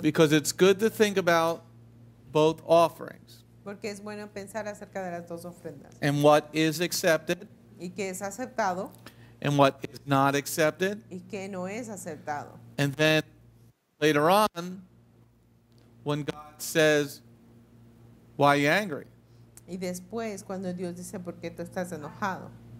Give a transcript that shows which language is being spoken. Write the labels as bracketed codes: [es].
[en] Because it's good to think about both offerings. [es] Porque es bueno pensar acerca de las dos ofrendas. [en] And what is accepted? [es] Y qué es aceptado. [en] And what is not accepted? [es] Y qué no es aceptado. [en] And then later on, when God says, "Why are you angry?" [es] Y después cuando Dios dice, "¿Por qué tú estás enojado?"